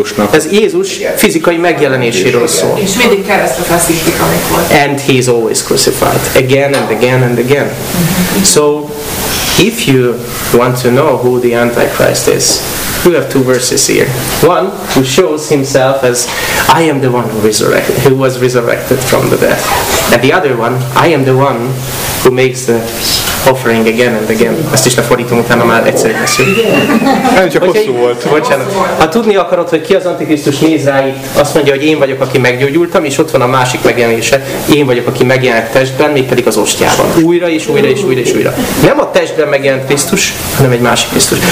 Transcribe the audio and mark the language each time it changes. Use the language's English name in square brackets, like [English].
[Hungarian] Ez Jézus fizikai megjelenéséről szól. És mindig keresztre feszítik, amikor. [English] And he is always crucified. Again and again and again. So, if you want to know who the Antichrist is, we have two verses here. One, who shows himself as, I am the one who was resurrected from the death. And the other one, I am the one who makes the offering again and again. [Hungarian] Ezt is lefordítom, utána már egyszer leszünk. Nem csak hosszú volt. Bocsánat. Ha tudni akarod, hogy ki az Antikrisztus, nézz rá itt, azt mondja, hogy én vagyok, aki meggyógyultam, és ott van a másik megjelenése, én vagyok, aki megjelent testben, mégpedig az ostjában. Újra és újra és újra és újra. Nem a testben megjelent Krisztus, hanem egy másik Krisztus.